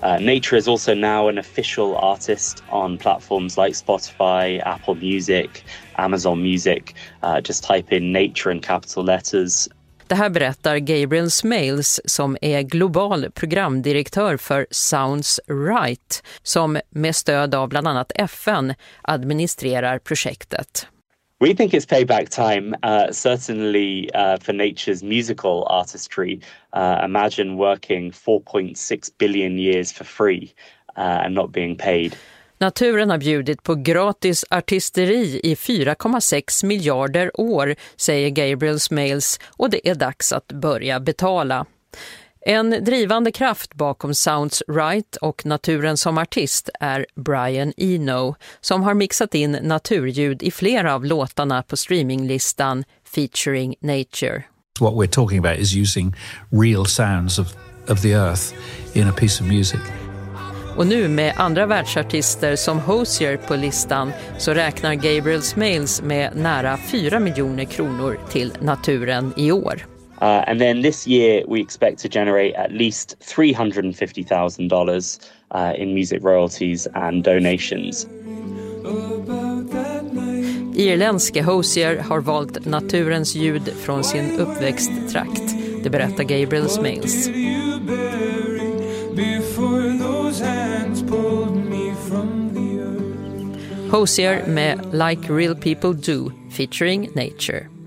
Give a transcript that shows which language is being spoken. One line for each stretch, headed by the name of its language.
English: Nature is also now an official artist on platforms like Spotify, Apple Music, Amazon Music. Just type in nature in capital letters.
Swedish: Det här berättar Gabriel Smales som är global programdirektör för Sounds Right som med stöd av bland annat FN administrerar projektet.
English: We think it's payback time, certainly for nature's musical artistry. Imagine working 4.6 billion years for free and not being paid.
Swedish: Naturen har bjudit på gratis artisteri i 4,6 miljarder år, säger Gabriel Smales, och det är dags att börja betala. En drivande kraft bakom Sounds Right och naturen som artist är Brian Eno, som har mixat in naturljud i flera av låtarna på streaminglistan Featuring Nature.
English: What we're talking about is using real sounds of the earth in a piece of music.
Swedish: Och nu med andra världsartister som Hozier på listan så räknar Gabriel Smales med nära 4 miljoner kronor till naturen i år.
English: And then this year we expect to generate at least $350,000 in music royalties and donations.
Swedish: Irländske Hozier har valt naturens ljud från sin uppväxttrakt, det berättar Gabriel Smales. Hozier med Like Real People Do featuring Nature.